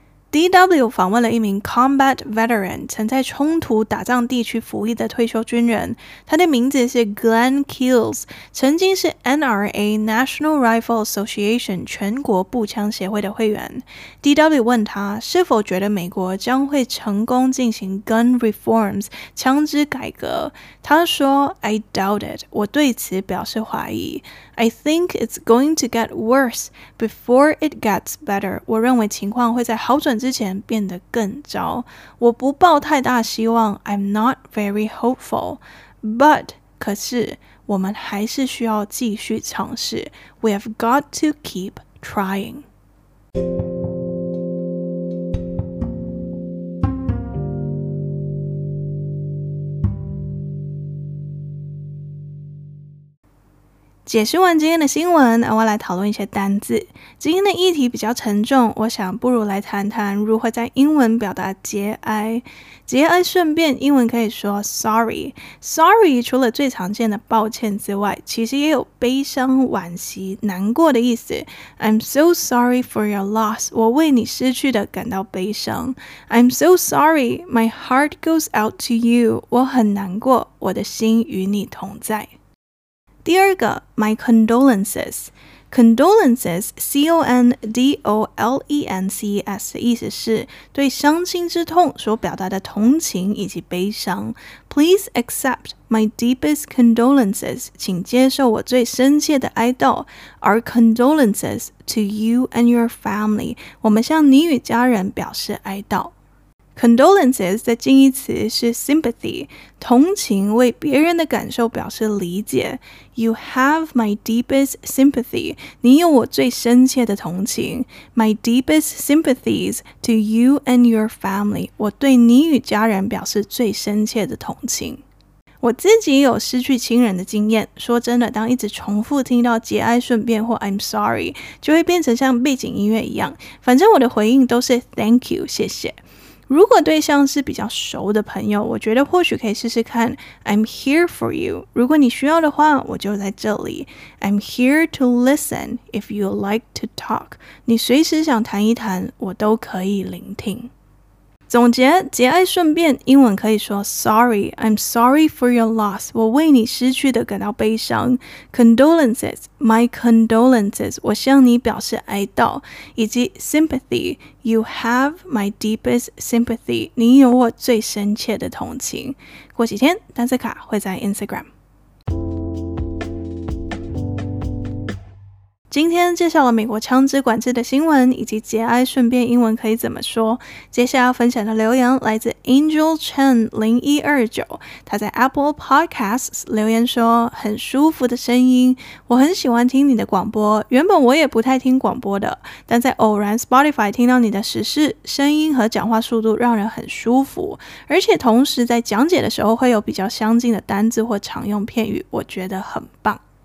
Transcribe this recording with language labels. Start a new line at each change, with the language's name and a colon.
Chinese: DW 访问了一名 combat veteran， 曾在冲突打仗地区服役的退休军人，他的名字是 Glenn Keels， 曾经是 NRA National Rifle Association 全国步枪协会的会员。 DW 问他是否觉得美国将会成功进行 gun reforms 枪支改革，他说
English: I doubt it，
Chinese: 我对此表示怀疑。
English: I think it's going to get worse before it gets better，
Chinese: 我认为情况会在好转之前变得更糟，我不抱太大希望。
English: I'm not very hopeful， but
Chinese: 可是我们还是需要继续尝试。
English: We have got to keep trying。
Chinese: 解释完今天的新闻，我来讨论一些单字。今天的议题比较沉重，我想不如来谈谈如何在英文表达节哀。节哀顺变，英文可以说 sorry。sorry 除了最常见的抱歉之外，其实也有悲伤、惋惜、难过的意思。
English: I'm so sorry for your loss，
Chinese: 我为你失去的感到悲伤。
English: I'm so sorry， my heart goes out to you，
Chinese: 我很难过，我的心与你同在。第二个 ,my condolences。 condolences, C-O-N-D-O-L-E-N-C-E-S 的意思是对伤心之痛所表达的同情以及悲伤。
English: Please accept my deepest condolences,
Chinese: 请接受我最深切的哀悼。
English: Our condolences to you and your family,
Chinese: 我们向你与家人表示哀悼。 Condolences 的近义词是 sympathy， 同情，为别人的感受表示理解。
English: You have my deepest sympathy，
Chinese: 你有我最深切的同情。
English: My deepest sympathies to you and your family，
Chinese: 我对你与家人表示最深切的同情。我自己有失去亲人的经验，说真的，当一直重复听到节哀顺变或 I'm sorry， 就会变成像背景音乐一样。反正我的回应都是 thank you， 谢谢。如果对象是比较熟的朋友，我觉得或许可以试试看
English: I'm here for you，
Chinese: 如果你需要的话我就在这里。
English: I'm here to listen if you like to talk，
Chinese: 你随时想谈一谈我都可以聆听。总结，节哀顺变，英文可以说 sorry，
English: I'm sorry for your loss，
Chinese: 我为你失去的感到悲伤。 condolences， my condolences， 我向你表示哀悼。以及 sympathy，
English: you have my deepest sympathy，
Chinese: 你有我最深切的同情。过几天，单词卡会在 Instagram。今天介绍了美国枪支管制的新闻以及节哀顺变英文可以怎么说。接下来要分享的留言来自 Angel Chen 0129，他在 Apple Podcasts 留言说，很舒服的声音，我很喜欢听你的广播，原本我也不太听广播的，但在偶然 Spotify 听到你的时事，声音和讲话速度让人很舒服，而且同时在讲解的时候会有比较相近的单字或常用片语，我觉得很棒。